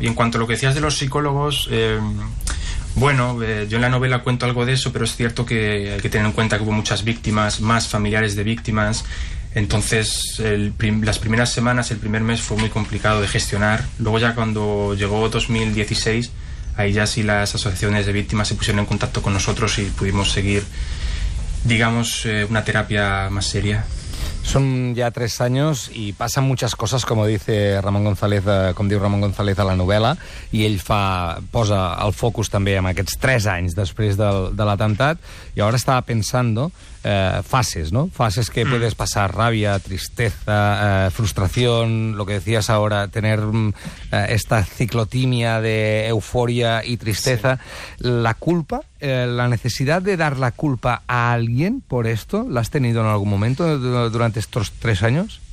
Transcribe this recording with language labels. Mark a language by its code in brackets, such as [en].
[es] Y en cuanto a lo que decías de los psicólogos, yo en la novela cuento algo de eso, pero es cierto que hay que tener en cuenta que hubo muchas víctimas, más familiares de víctimas. Entonces, las primeras semanas, el primer mes fue muy complicado de gestionar. Luego ya cuando llegó 2016... ahí ya sí las asociaciones de víctimas se pusieron en contacto con nosotros y pudimos seguir, digamos, una terapia más seria. Son ya [ca] 3 anys i passen moltes coses, com dice Ramon González, com diu Ramon González a la novel·la, i ell posa el focus també en aquests 3 anys després de l'atemptat, i ara estava pensant fases, ¿no? [es] Fases que puedes pasar, rabia, tristeza, frustración, lo que decías ahora, tener esta ciclotimia de euforia y tristeza. Sí. ¿La culpa, la necesidad de dar la culpa a alguien por esto, la has tenido en algún momento durante estos 3 años?